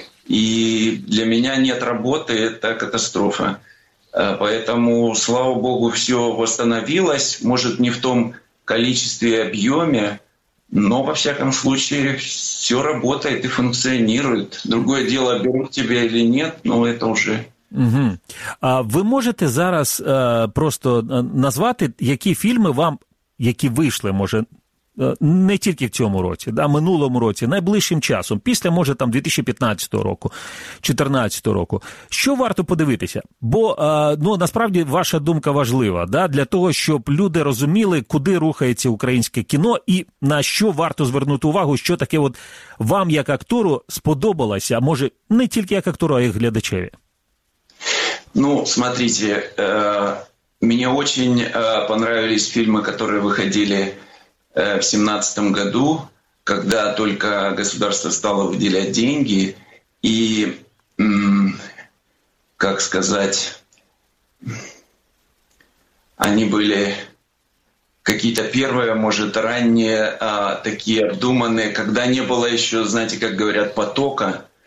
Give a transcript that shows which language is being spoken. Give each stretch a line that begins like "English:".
Russian: И для меня нет работы, это катастрофа. Поэтому, слава богу, все восстановилось. Может, не в том количестве и объеме, но, во всяком случае, все работает и функционирует. Другое дело, берут тебя или нет, но это уже... Угу.
Ukrainian: А ви можете зараз просто назвати, які фільми вам, які вийшли, може, не тільки в цьому році, да, минулому році, найближчим часом, після, може, там, 2015 року, 2014 року, що варто подивитися? Бо, насправді, ваша думка важлива, да, для того, щоб люди розуміли, куди рухається українське кіно і на що варто звернути увагу, що таке от вам, як актору, сподобалося, може, не тільки як актору, а й глядачеві.
Russian: Ну, смотрите,
Ukrainian: мені дуже понравились фільми, які виходили
Russian: в 2017 году, когда только государство стало выделять деньги, и, как сказать, они были какие-то первые, может, ранние, такие обдуманные, когда не было еще, знаете, как говорят, потока.